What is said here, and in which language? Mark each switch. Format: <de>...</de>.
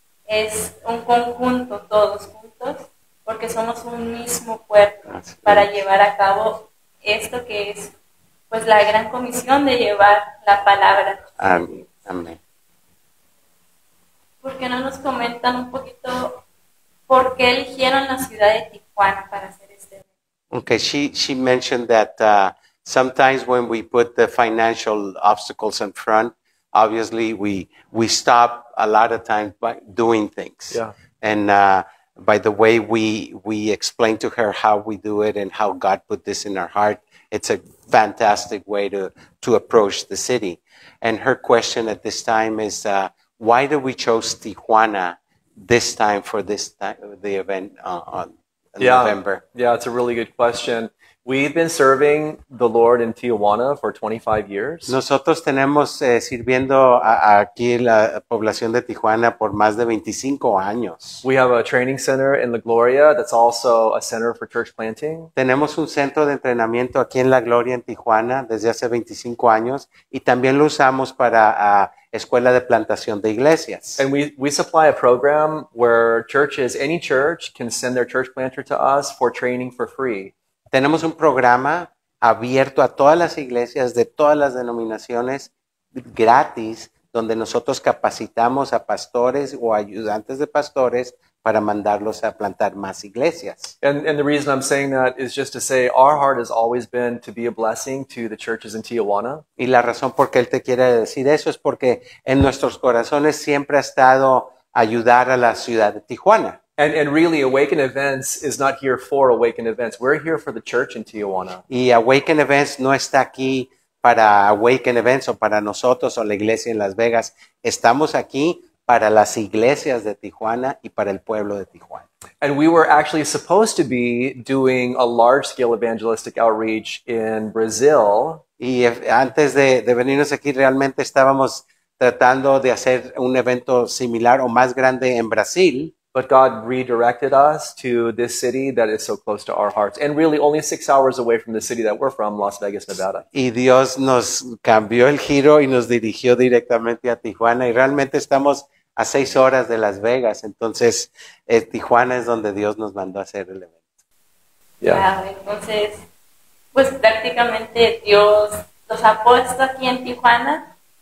<es>Es un conjunto, todos juntos, porque somos un mismo cuerpo para llevar a cabo esto que es, pues, la gran comisión de llevar la palabra. Amén. ¿Por qué no nos comentan un poquito por qué eligieron la ciudad de Tijuana para hacer este evento?</es> <en>Okay, she mentioned that sometimes when we put the financial obstacles in front, obviously, we stop a lot of times by doing things. Yeah. And by the way, we explain to her how we do it and how God put this in our heart. It's a fantastic way to approach the city. And her question at this time is, why do we choose Tijuana this time for this the event November? Yeah, it's a really good question. We've been serving the Lord in Tijuana for 25 years.</en> <es>Nosotros tenemos sirviendo aquí la población de Tijuana por más de 25 años.</es> <en>We have a training center in La Gloria that's also a center for church planting.</en> <es>Tenemos un centro de entrenamiento aquí en La Gloria en Tijuana desde hace 25 años y también lo usamos para escuela de plantación de iglesias.</es> <en>And we supply a program where churches, any church, can send their church planter to us for training for free.</en> <es>Tenemos un programa abierto a todas las iglesias de todas las denominaciones gratis, donde nosotros capacitamos a pastores o ayudantes de pastores para mandarlos a plantar más iglesias.</es> <en>And the reason I'm saying that is just to say our heart has always been to be a blessing to the churches in Tijuana.</en> <es>Y la razón por qué él te quiere decir eso es porque en nuestros corazones siempre ha estado ayudar a la ciudad de Tijuana.</es> <en>And really, Awaken Events is not here for Awaken Events. We're here for the church in Tijuana.</en> <es>Y Awaken Events no está aquí para Awaken Events o para nosotros o la iglesia en Las Vegas. Estamos aquí para las iglesias de Tijuana y para el pueblo de Tijuana.</es> <en>And we were actually supposed to be doing a large-scale evangelistic outreach in Brazil.</en> <es>Y antes de venirnos aquí, realmente estábamos tratando de hacer un evento similar o más grande en Brasil.</es> <en>But God redirected us to this city that is so close to our hearts and really only 6 hours away from the city that we're from, Las Vegas, Nevada.</en> <es>Y Dios nos cambió el giro y nos dirigió directamente a Tijuana y realmente estamos a 6 horas de Las Vegas. Entonces, Tijuana es donde Dios nos mandó a hacer el evento.</es> <en>Yeah.</en> <es>Entonces, pues prácticamente Dios los ha puesto aquí en Tijuana</es>